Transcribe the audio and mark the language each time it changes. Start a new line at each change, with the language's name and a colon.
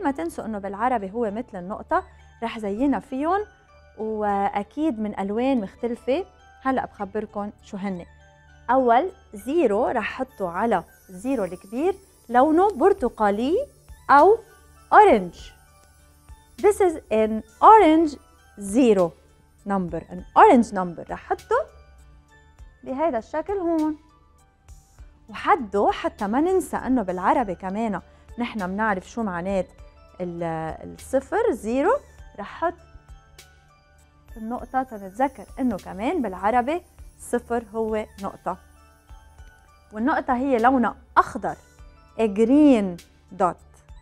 Arabic: ما تنسوا أنه بالعربي هو مثل النقطة، رح زينا فيهم وأكيد من ألوان مختلفة. هلأ بخبركن شو هني. أول زيرو رح حطه على زيرو الكبير لونه برتقالي أو أورنج.
English: This is an orange zero number. An orange number
Arabic: رح حطه بهذا الشكل هون. وحده حتى ما ننسى أنه بالعربي كمان نحن بنعرف شو معنات الصفر زيرو، رح حط النقطة تنتذكر أنه كمان بالعربي صفر هو نقطة، والنقطة هي لونها أخضر،
English: a green dot.